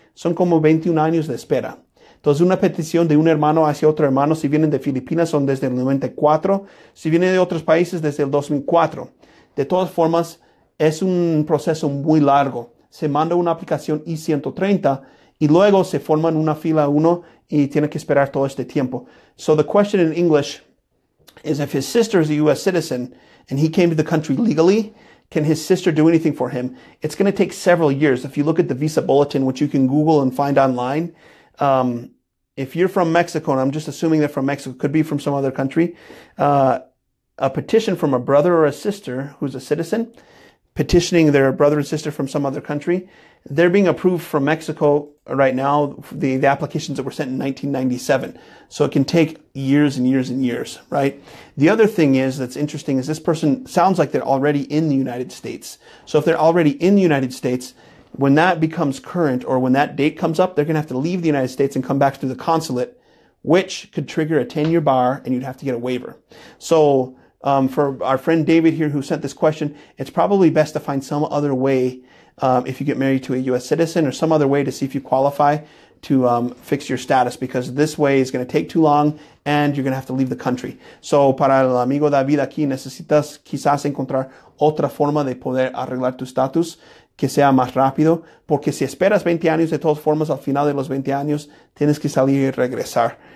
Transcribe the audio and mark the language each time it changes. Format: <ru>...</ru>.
<es>Son como 21 años de espera. Entonces, una petición de un hermano hacia otro hermano, si vienen de Filipinas, son desde el 94. Si vienen de otros países, desde el 2004. De todas formas, es un proceso muy largo. Se manda una aplicación I-130 y luego se forma en una fila 1 y tiene que esperar todo este tiempo.</es> <en>So the question in English is, if his sister is a U.S. citizen and he came to the country legally, can his sister do anything for him? It's going to take several years. If you look at the visa bulletin, which you can Google and find online, if you're from Mexico, and I'm just assuming they're from Mexico, could be from some other country, a petition from a brother or a sister who's a citizen, petitioning their brother and sister from some other country, they're being approved from Mexico right now, the applications that were sent in 1997. So it can take years and years and years, right? The other thing is that's interesting is this person sounds like they're already in the United States. So if they're already in the United States, when that becomes current or when that date comes up, they're going to have to leave the United States and come back through the consulate, which could trigger a 10-year bar and you'd have to get a waiver. So for our friend David here who sent this question, it's probably best to find some other way if you get married to a U.S. citizen or some other way to see if you qualify to fix your status, because this way is going to take too long and you're going to have to leave the country.</en> <es>So para el amigo David aquí, necesitas quizás encontrar otra forma de poder arreglar tu status que sea más rápido, porque si esperas 20 años, de todas formas, al final de los 20 años, tienes que salir y regresar.</es>